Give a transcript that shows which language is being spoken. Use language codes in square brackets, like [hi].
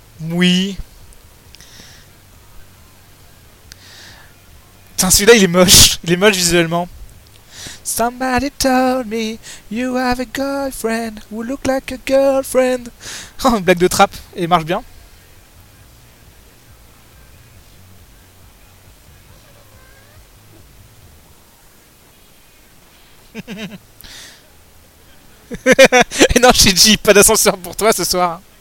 [fr] Oui. Tiens, celui-là, il est moche. Il est moche visuellement. [en] Somebody told me you have a girlfriend who look like a girlfriend. [fr] Oh, blague de trap, et marche bien. Et non, Shinji, pas d'ascenseur pour toi ce soir.